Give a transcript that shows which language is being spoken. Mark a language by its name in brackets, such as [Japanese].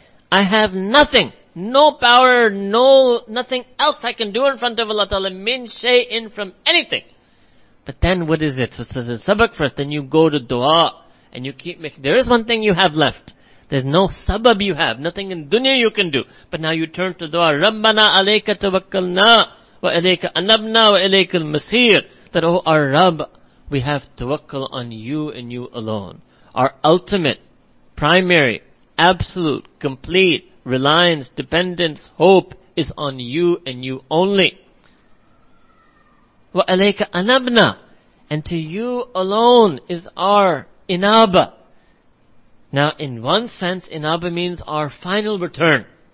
[English] I have nothing, no power, no nothing else I can do in front of Allah Ta'ala, [Arabic] مِنْ شَيْءٍ, [English] from anything. But then what is it? So the sabak first, then you go to dua, and you keep making, there is one thing you have left. There's no sabab you have, nothing in dunya you can do. But now you turn to dua, [Arabic] رَبَّنَا عَلَيْكَ تَوَكَّلْنَا وَإِلَيْكَ أَنَبْنَا وَإِلَيْكَ الْمَصِيرُ. [English] That, oh our Rabb, we have tawakkal on you and you alone. Our ultimate, primary, absolute, complete reliance, dependence, hope is on you and you only. [Arabic] Wa alayka anabna, [English] and to you alone is our inaba. Now, in one sense, inaba means our final return.